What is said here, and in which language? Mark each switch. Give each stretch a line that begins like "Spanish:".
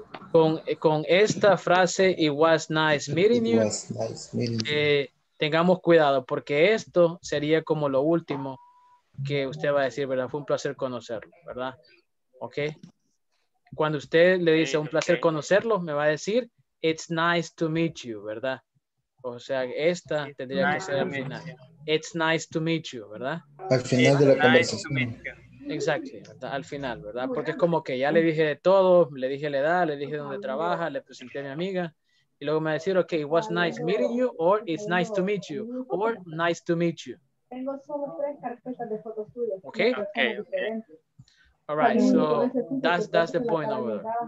Spanish: Con esta frase,
English: it was nice meeting you,
Spanish: tengamos cuidado, porque esto sería como lo último que usted va a decir, ¿verdad? Fue un placer conocerlo, ¿verdad? ¿Ok? Cuando usted le dice un placer conocerlo, me va a decir,
English: it's nice to meet you,
Spanish: ¿verdad? O sea, esta tendría que ser al final.
English: It's nice to meet you, ¿verdad?
Spanish: Al final de la conversación. Exacto, ¿verdad? Al final, ¿verdad? Porque es como que ya le dije de todo, le dije la edad, le dije dónde trabaja, le presenté a mi amiga. Y luego me va a decir,
English: ok, it was nice meeting you, or it's nice to meet you, or nice to meet you.
Spanish: Tengo solo tres carpetas de fotos tuyas. Okay.
English: All right, so that's the point over there.